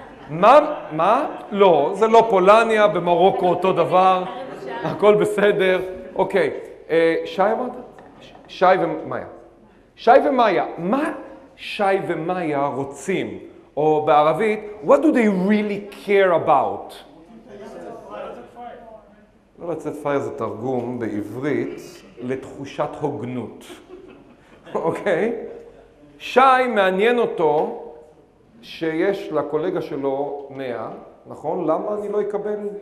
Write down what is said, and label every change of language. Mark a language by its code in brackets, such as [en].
[he] 100. מה? לא, זה לא פולניה, במרוקו אותו דבר. הכל בסדר. אוקיי, שי אמרת? שי ומאיה. שי ומאיה, מה שי ומאיה רוצים? או בערבית, [en] what do they really care about? [he] לא לצאת פייר זה תרגום בעברית לתחושת הוגנות, אוקיי? שי מעניין אותו שיש לקולגה שלו 100, נכון? למה אני לא אקבל?